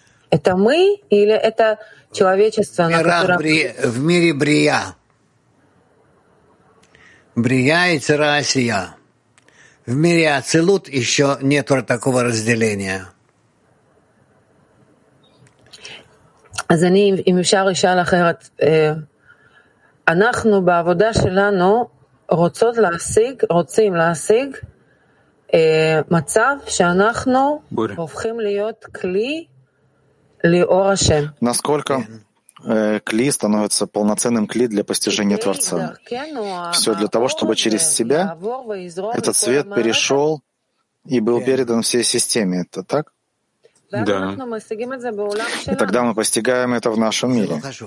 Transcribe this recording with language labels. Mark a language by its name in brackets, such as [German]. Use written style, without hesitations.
[Russian] Это мы или это человечество, на котором... В мире Брия. Брия и Цира Асия. В мире Ацилут еще нет такого разделения. [Hebrew] אז אני, אם אפשר לשאול אחרת, אנחנו בעבודה שלנו רוצות להשיג, רוצים להשיג מצב שאנחנו הופכים להיות כלי לאור השם. [Russian] Насколько כלי становится полноценным כלי для постижения Творца? Все для того, чтобы через себя этот свет перешел и был передан всей системе, это так? Да. И тогда мы постигаем это в нашем мире.